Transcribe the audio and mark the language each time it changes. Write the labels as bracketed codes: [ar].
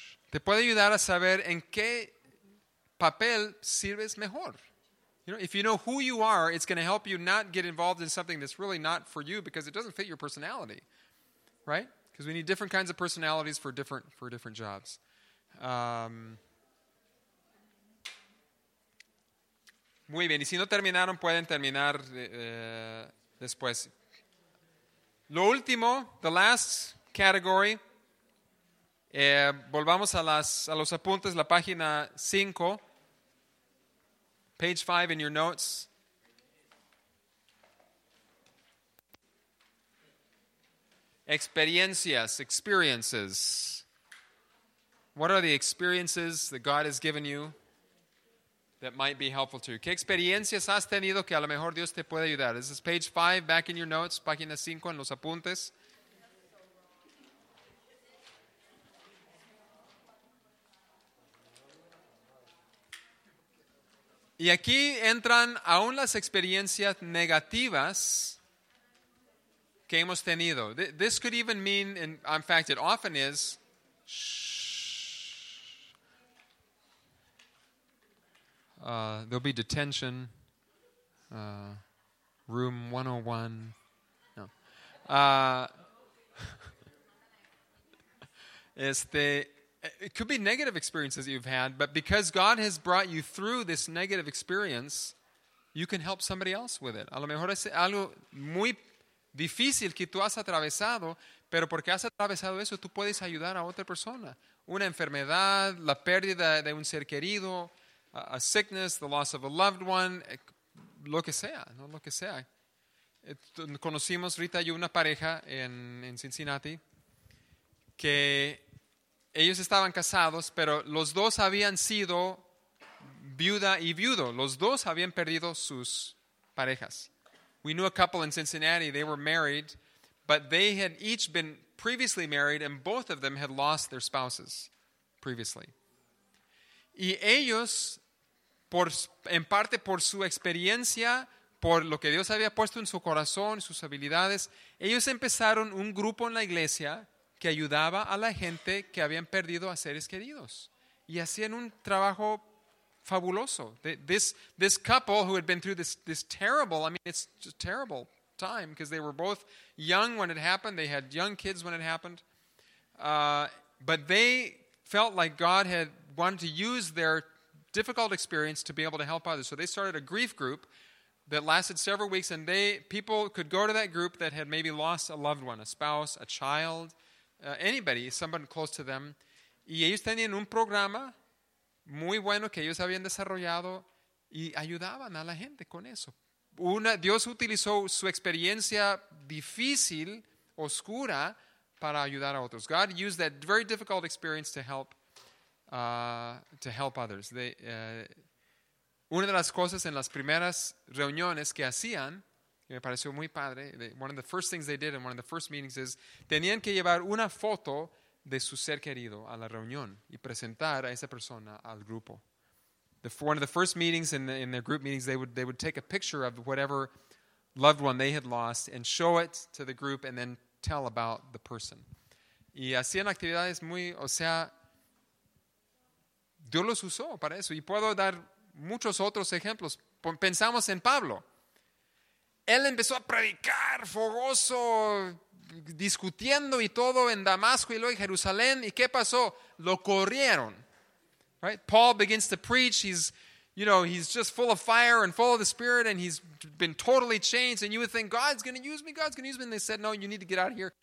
[es] Te puede ayudar a saber en qué papel sirves mejor. [en] You know, if you know who you are, it's going to help you not get involved in something that's really not for you because it doesn't fit your personality, right? Because we need different kinds of personalities for different jobs. [es] Muy bien. Y si no terminaron, pueden terminar después. Lo último, [en] the last category. [es] Volvamos a los apuntes, la página 5, [en] page 5 in your notes. [es] Experiencias, experiences. [en] What are the experiences that God has given you that might be helpful to you? [es] ¿Qué experiencias has tenido que a lo mejor Dios te puede ayudar? [en] This is page 5 back in your notes, [es] página 5 en los apuntes. Y aquí entran aún las experiencias negativas que hemos tenido. [en] This could even mean, in fact, it often is. There'll be detention. Room 101. No. It could be negative experiences you've had, but because God has brought you through this negative experience, you can help somebody else with it. [es] A lo mejor es algo muy difícil que tú has atravesado, pero porque has atravesado eso, tú puedes ayudar a otra persona. Una enfermedad, la pérdida de un ser querido, [en] a sickness, the loss of a loved one, [es] lo que sea, ¿no? Lo que sea. Conocimos Rita y una pareja en Cincinnati que... Ellos estaban casados, pero los dos habían sido viuda y viudo. Los dos habían perdido sus parejas. [en] We knew a couple in Cincinnati. They were married, but they had each been previously married, and both of them had lost their spouses previously. [es] Y ellos, en parte por su experiencia, por lo que Dios había puesto en su corazón, sus habilidades, ellos empezaron un grupo en la iglesia que ayudaba a la gente que habían perdido a seres queridos. Y hacían un trabajo fabuloso. [en] This couple who had been through this terrible, I mean, it's a terrible time because they were both young when it happened. They had young kids when it happened. But they felt like God had wanted to use their difficult experience to be able to help others. So they started a grief group that lasted several weeks, and people could go to that group that had maybe lost a loved one, a spouse, a child, anybody, someone close to them. [es] Y ellos tenían un programa muy bueno que ellos habían desarrollado y ayudaban a la gente con eso. Dios utilizó su experiencia difícil, oscura, para ayudar a otros. [en] God used that very difficult experience to help others. [es] Una de las cosas en las primeras reuniones que hacían, que me pareció muy padre, [en] one of the first things they did in one of the first meetings [es] is tenían que llevar una foto de su ser querido a la reunión y presentar a esa persona al grupo. [en] One of the first meetings in their group meetings, they would take a picture of whatever loved one they had lost and show it to the group and then tell about the person. [es] Y hacían actividades muy, o sea, Dios los usó para eso. Y puedo dar muchos otros ejemplos. Pensamos en Pablo. Él empezó a predicar fogoso, discutiendo y todo en Damasco y luego en Jerusalén. ¿Y qué pasó? Lo corrieron. [en] Right? Paul begins to preach. He's, you know, he's just full of fire and full of the Spirit, and he's been totally changed. And you would think, God's going to use me. God's going to use me. And they said, no, you need to get out of here.